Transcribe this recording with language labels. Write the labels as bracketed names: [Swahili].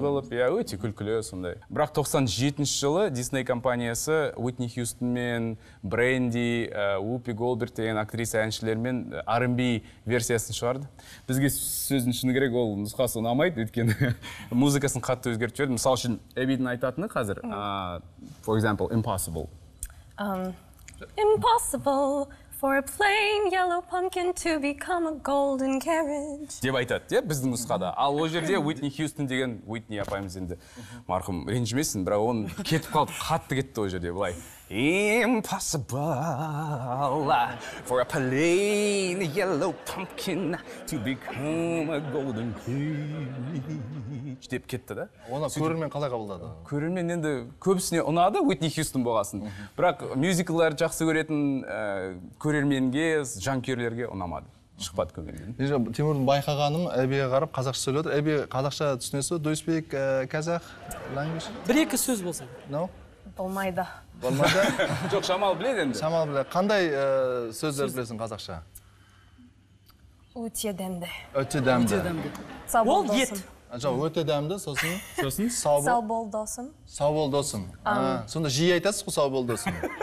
[Kazakh] қылып, иә, өте күлкілі сондай. Бірақ 97 жылы Disney компаниясы Уитни Хьюстон мен Бренди, Уупи Голдберг деген актриса әншілермен R&B версиясын шығарды. Бізге сөздің шыны керек ол нұсқасы ұнамайды, өйткені музыкасын қатты өзгертіп жіберді. Мысалы үшін Эбидің айтатыны қазір, [English] for example, impossible. Impossible. For a plain yellow pumpkin to become a golden carriage. [Kazakh] Деп айтады, деп біздің нұсқада. Ал ол жерде Уитни Хьюстон деген Уитни апаймыз енді. Марқым, ренжімесін, бірақ оны кетіп қалды, қатты кетті ол жерде. Былай. [English] Impossible for a plain yellow pumpkin to become a golden carriage. [Kazakh] Деп кетті, да? Оны көрермен қалай қабылдады? Көрермен енді көбісіне ұнады Уитни Хьюстон болғасын. Бірақ мюзиклдарды жақсы көретін көрерменге, жанкүйерлерге ұнамады. Шықпады көңілден. Тимурдың байқағаным Эбиге қарап қазақша сөйледі. Эби қазақша түсінесі ғой? [English] Do you speak Kazakh language? [Kazakh] Бір-екі сөз болса. [English] No? [Kazakh] Болмайды. Болмайды? Жоқ, шамалы біледі енді. Шамалы біледі. Қандай сөздер білесің қазақша? Өте дәмді. Өте дәмді. Сау бол досым. Жоқ, өте дәмді, сосын? Сосын? Сау бол досым. Сау бол досым. Сонда жиі айтасыз ғой, сау бол досым.